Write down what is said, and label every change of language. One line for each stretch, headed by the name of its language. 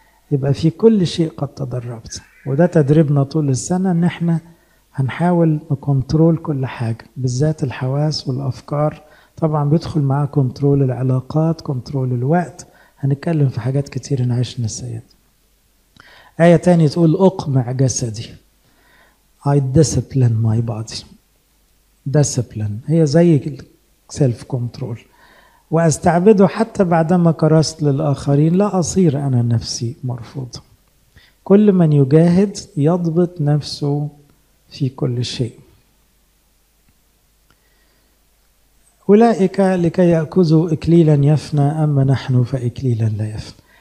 Arabic: يبقى في كل شيء قد تدربت، وده تدريبنا طول السنه ان احنا هنحاول نكنترول كل حاجه، بالذات الحواس والافكار. طبعا بيدخل معاه كنترول العلاقات، كنترول الوقت، هنتكلم في حاجات كتير نعيش نسيت. آية تانية تقول أقمع جسدي.
English: I discipline my body. Discipline
Arabic: هي زي
English: self control.
Arabic: وأستعبده حتى بعدما كرست للآخرين، لا أصير أنا نفسي مرفوض. كل من يجاهد يضبط نفسه في كل شيء. أولئك لكي يأكذوا إكليلا يفنى، أما نحن فإكليلا لا يفنى.